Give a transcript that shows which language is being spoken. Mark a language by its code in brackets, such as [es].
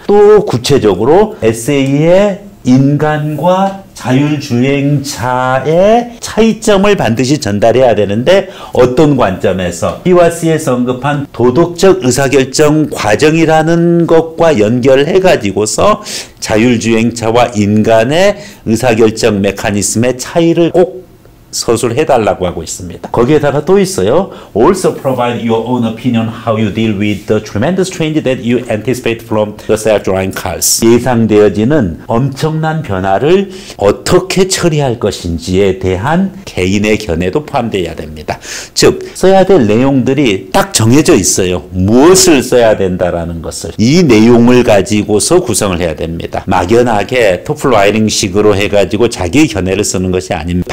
[ko] 또 구체적으로 에세이의 인간과 자율주행차의 차이점을 반드시 전달해야 되는데 어떤 관점에서 B와 C에서 언급한 도덕적 의사결정 과정이라는 것과 연결해가지고서 자율주행차와 인간의 의사결정 메커니즘의 차이를 꼭 서술해달라고 하고 있습니다. 거기에다가 또 있어요. [en] Also provide your own opinion how you deal with the tremendous change that you anticipate from the self-driving cars. [ko] 예상되어지는 엄청난 변화를 어떻게 처리할 것인지에 대한 개인의 견해도 포함되어야 됩니다. 즉, 써야 될 내용들이 딱 정해져 있어요. 무엇을 써야 된다라는 것을. 이 내용을 가지고서 구성을 해야 됩니다. 막연하게 토플 라이팅 식으로 해가지고 자기 견해를 쓰는 것이 아닙니다.